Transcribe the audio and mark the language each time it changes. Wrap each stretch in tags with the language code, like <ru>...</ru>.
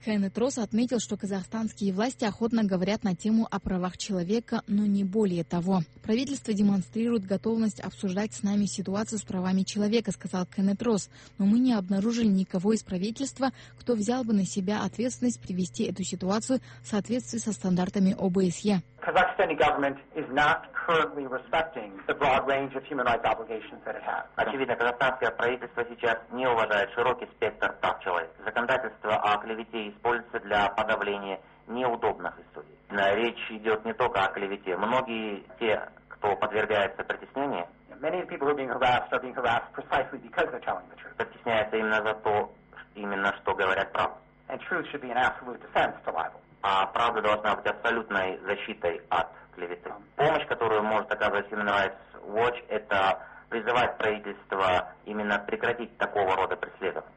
<ru>Кеннет Росс отметил, что казахстанские власти охотно говорят на тему о правах человека, но не более того. Правительство демонстрирует готовность обсуждать с нами ситуацию с правами человека, сказал Кеннет Росс. Но мы не обнаружили никого из правительства, кто взял бы на себя ответственность привести эту ситуацию в соответствии со стандартами ОБСЕ. Казахстанский</ru> <en>government is not currently respecting the broad range of human rights obligations that it has.</en> <ru>Очевидно, казахстанское правительство сейчас не уважает широкий спектр прав человека. Законодательство о клевете используется для подавления неудобных историй. Речь идет не только о клевете. Многие те, кто подвергается притеснению,</ru> <en>many of the people who are being harassed precisely because they're telling the truth.</en> <ru>Притесняются именно за то, именно что говорят правду.</ru> <en>And truth should be an absolute defense to libel.</en> <ru>А правда должна быть абсолютной защитой от клеветы. Помощь, которую может оказывать Human Rights Watch, это призывать правительство именно прекратить такого рода преследования.</ru>